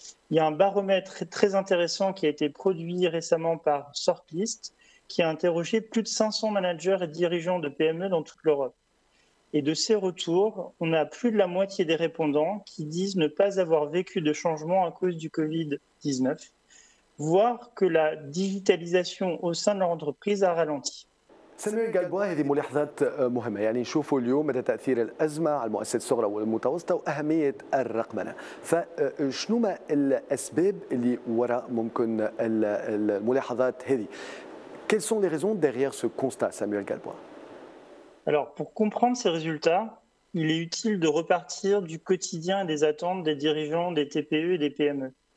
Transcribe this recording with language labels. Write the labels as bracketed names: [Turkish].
[French] Il y a un baromètre très intéressant qui a été produit récemment par Shortlist, qui a interrogé plus de 500 managers et dirigeants de PME dans toute l'Europe. Et de ces retours, on a plus de la moitié des répondants qui disent ne pas avoir vécu de changement à cause du Covid-19, voire que la digitalisation au sein de leur entreprise a ralenti. [Arabic] سامويل غالبوا، هذه ملاحظات مهمة، يعني نشوفوا اليوم مدى تأثير الأزمة على المؤسسات الصغرى والمتوسطة وأهمية الرقمنة. فشنو ما الأسباب اللي وراء ممكن الملاحظات هذه؟ [French] Quelles sont les raisons derrière ce constat, [Arabic] Samuel Galbois? [French] Alors, pour comprendre ces résultats, il est utile de repartir du quotidien et des attentes des dirigeants des TPE et des PME.